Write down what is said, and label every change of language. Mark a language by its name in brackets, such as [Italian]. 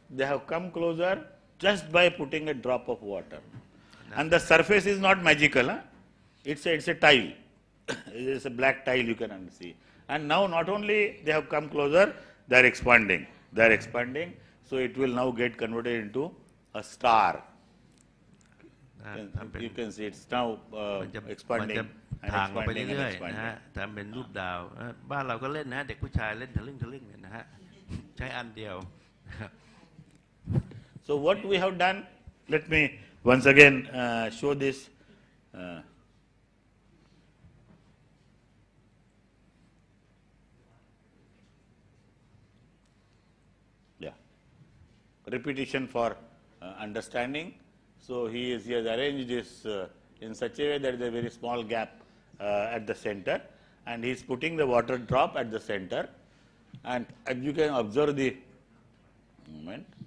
[English] have come closer just by putting a drop of water and the surface is not magical it's a tile it's a black tile you can see and now not only they have come closer they are expanding so it will now get converted into a star you can see it's now expanding [Thai] ทางไปเรื่อยๆนะฮะทำเป็นรูปดาวบ้านเราก็เล่นนะเด็กผู้ชายเล่นทะลึ่งเนี่ยนะฮะใช้อันเดียว [English] So what we have done let me once again show this repetition for understanding so he has arranged this in such a way that there is a very small gap at the center and he is putting the water drop at the center and you can observe the movement